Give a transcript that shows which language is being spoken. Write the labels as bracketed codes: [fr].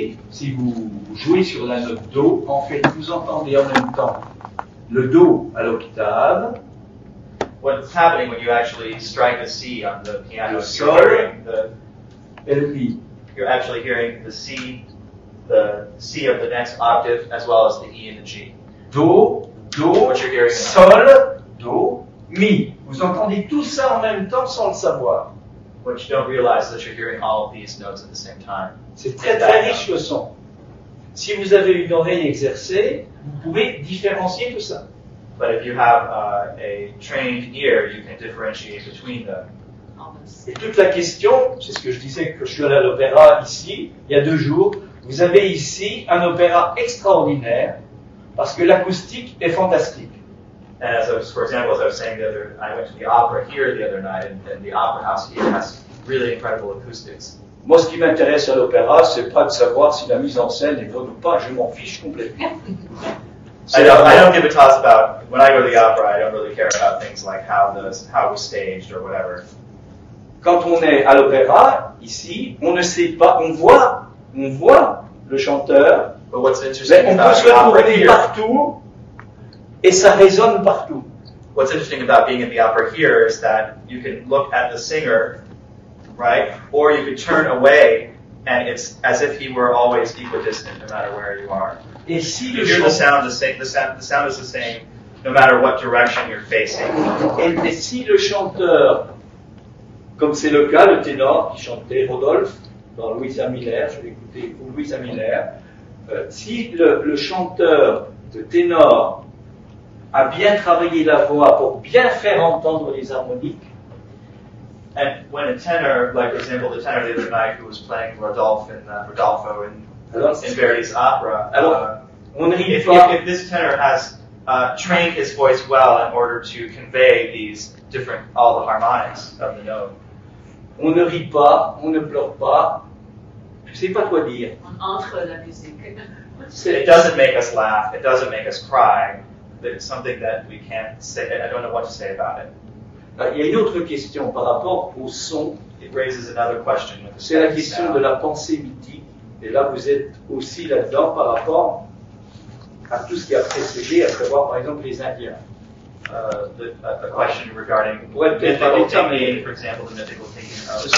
[fr] Si vous jouez sur la note do, en fait, vous entendez en même temps le do à l'octave. [en] What's happening when you actually strike a C on the piano? [fr] Le sol. [en] You're hearing the. [fr] Et le [en] mi. You're actually hearing the C. The C of the next octave, as well as the E and the G. [fr] Do, do, [en] what you're hearing [fr] sol, do, mi. Vous entendez tout ça en même temps sans le savoir. [en] But you don't realize that you're hearing all of these notes at the same time. [fr] C'est très, très riche le son. Si vous avez une oreille exercée, vous pouvez différencier tout ça. [en] But if you have a trained ear, you can differentiate between them. [fr] Et toute la question, c'est ce que je disais que je suis allé à l'opéra ici, il y a deux jours. Vous avez ici un opéra extraordinaire parce que l'acoustique est fantastique. [en] And as I was, for example, as I was saying the other, I went to the opera here the other night, and the opera house here has really incredible acoustics. [fr] Moi, ce qui m'intéresse à l'opéra, c'est pas de savoir si la mise en scène est bonne ou pas. Je m'en fiche complètement. [en] I don't give a toss about when I go to the opera. I don't really care about things like how it was staged or whatever. [fr] Quand on est à l'opéra ici, on ne sait pas, on voit le chanteur, [en] but what's interesting mais [fr] on peut se retrouver partout et ça résonne partout. [en] What's interesting about being in the opera here is that you can look at the singer, right? Or you can turn away and it's as if he were always equidistant no matter where you are. [fr] Et si [en] you hear the sound the same, the sound is the same no matter what direction you're facing. [fr] Et si le chanteur, comme c'est le cas, le ténor qui chantait Rodolphe, dans Louisa Miller, je vais écouter pour Louisa Miller. Si le chanteur de ténor a bien travaillé la voix pour bien faire entendre les harmoniques, [en] and when a tenor, like for example the tenor the other night who was playing Rodolphe and Rodolfo in Verdi's opera, if this tenor has trained his voice well in order to convey these different all the harmonics of the note, [fr] on ne rit pas, on ne pleure pas. Je ne sais pas quoi dire. On entre la musique. [en] It doesn't make us laugh. It doesn't make us cry. But it's something that we can't say. I don't know what to say about it. [fr] Il y a une autre question par rapport au son. [en] It raises another question. [fr] C'est la question de la pensée mythique. Et là, vous êtes aussi là-dedans par rapport à tout ce qui a précédé, à savoir, par exemple, les Indiens. [en] a question regarding what mythical taking, for example, the mythical taking of